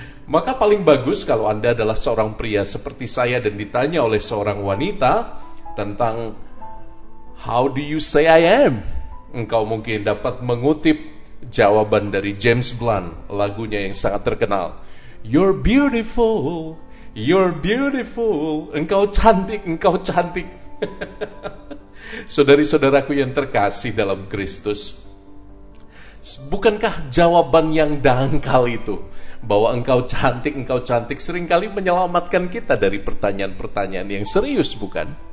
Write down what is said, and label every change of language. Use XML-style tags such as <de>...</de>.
<id>Maka paling bagus kalau Anda adalah seorang pria seperti saya dan ditanya oleh seorang wanita tentang</id> <en>how do you say I am?</en> <id>Engkau mungkin dapat mengutip jawaban dari James Blunt, lagunya yang sangat terkenal.</id> <en>You're beautiful, you're beautiful.</en> <id>Engkau cantik, engkau cantik. Saudari-saudaraku yang terkasih dalam Kristus, bukankah jawaban yang dangkal itu, bahwa engkau cantik seringkali menyelamatkan kita dari pertanyaan-pertanyaan yang serius, bukan?</id>